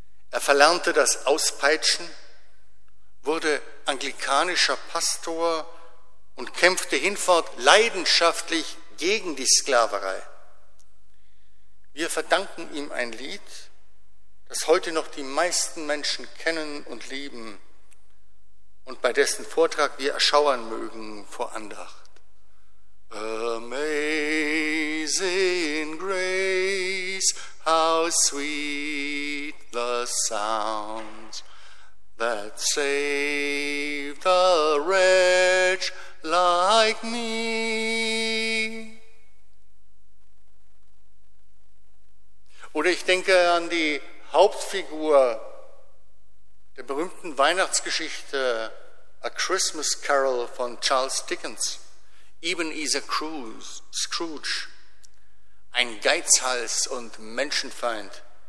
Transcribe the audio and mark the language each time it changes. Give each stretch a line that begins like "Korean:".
German: Er verlernte das Auspeitschen, wurde anglikanischer Pastor und kämpfte hinfort leidenschaftlich gegen die Sklaverei. Wir verdanken ihm ein Lied, das heute noch die meisten Menschen kennen und lieben. und bei dessen Vortrag wir erschauern mögen vor Andacht.
English: Amazing grace, how sweet the sound that saved a wretch like me.
German: Oder ich denke an die Hauptfigur der berühmten Weihnachtsgeschichte A Christmas Carol von Charles Dickens, Ebenezer Scrooge, ein Geizhals und Menschenfeind.